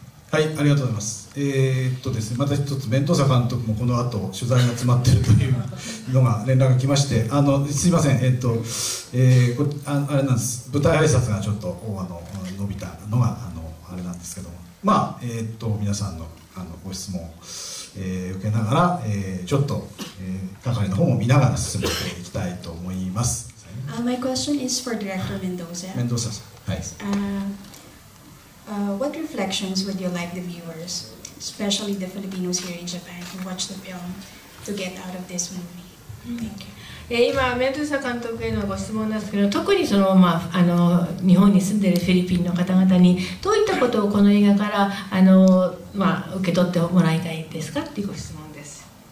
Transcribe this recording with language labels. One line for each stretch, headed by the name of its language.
Japanese: はい、ありがとうございます。ですね、また一つ弁当佐監督もこの後取材が詰まってるというのが連絡が来まして、すいません、あれなんです、舞台挨拶がちょっと伸びたのがあれなんですけども、まあ皆さんのご質問を、受けながら、ちょっと係の方も見ながら進めていきたいと思います。
English: My question is for Director Mendoza.
Japanese: Mendoza さん、はい。
English: What reflections would you like the viewers, especially the Filipinos here in Japan, who watch the film, to get out of this movie? Thank you.
Japanese: 今メドゥーサ監督へのご質問なんですけど、特にその、まあ、日本に住んでいるフィリピンの方々にどういったことをこの映画から受け取ってもらいたいですかっていうご質問です。